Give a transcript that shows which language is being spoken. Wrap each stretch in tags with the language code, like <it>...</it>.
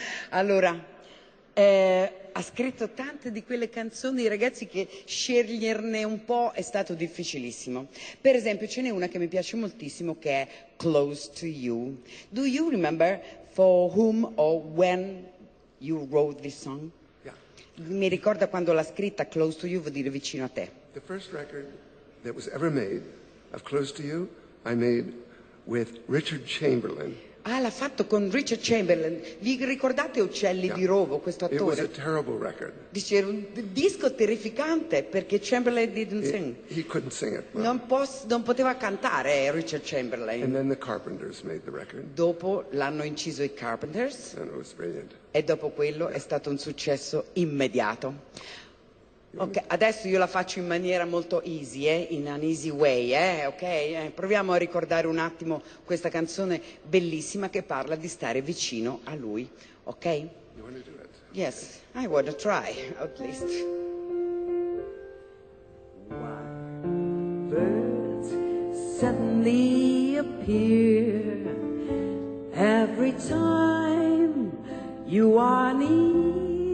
<it>Allora, ha scritto tante di quelle canzoni, ragazzi, che sceglierne un po' è stato difficilissimo. Per esempio, ce n'è una che mi piace moltissimo, che è Close to You.</it> <en>Do you remember for whom or when you wrote this song?</en> <it>Mi ricorda quando l'ha scritta. Close to You vuol dire vicino a te.</it> <en>The first record that was ever made of Close to You I made with Richard Chamberlain.</en> <it>Ah, l'ha fatto con Richard Chamberlain. Vi ricordate Uccelli di Rovo, questo attore?</it> <en>It was a terrible record.</en> <it>Dice, era un disco terrificante perché Chamberlain</it> <en>didn't sing. He couldn't sing it.</en> <it>Non, non poteva cantare Richard Chamberlain.</it> <en>And then the Carpenters made the record.</en> <it>Dopo l'hanno inciso i Carpenters.</it> <en>And it was brilliant.</en> <it>E dopo quello è stato un successo immediato. Ok, adesso io la faccio in maniera molto easy,</it> <en>in an easy way,</en> <it>ok? Proviamo a ricordare un attimo questa canzone bellissima che parla di stare vicino a lui, ok?</it> <en>You want to do it? Yes, I want to try, at least. One bird suddenly appear every time you are near.</en>